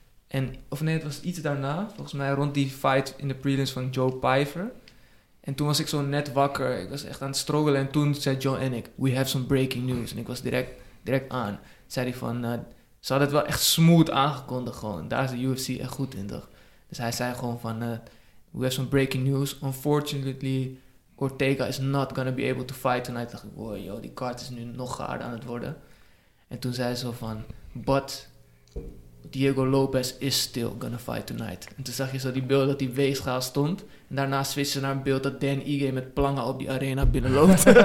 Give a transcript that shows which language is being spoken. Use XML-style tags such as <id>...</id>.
<nl>En of nee, het was iets daarna. Volgens mij rond die fight in de prelims van Joe Piver. En toen was ik zo net wakker. Ik was echt aan het struggelen. En toen zei John en ik,</nl> <en>we have some breaking news.</en> <nl>En ik was direct aan. Zei hij van, ze hadden het wel echt smooth aangekondigd gewoon. Daar is de UFC echt goed in toch. Dus hij zei gewoon van,</nl> <en>we have some breaking news. Unfortunately, Ortega is not gonna be able to fight tonight.</en> <nl>Dacht ik, wow, yo, die kaart is nu nog gaarder aan het worden. En toen zei ze zo van,</nl> <en>but Diego Lopez is still gonna fight tonight.</en> <nl>En toen zag je zo die beeld dat die weegschaal stond. En daarna switchen naar een beeld dat Dan Ige met plangen op die arena binnenloopt.</nl>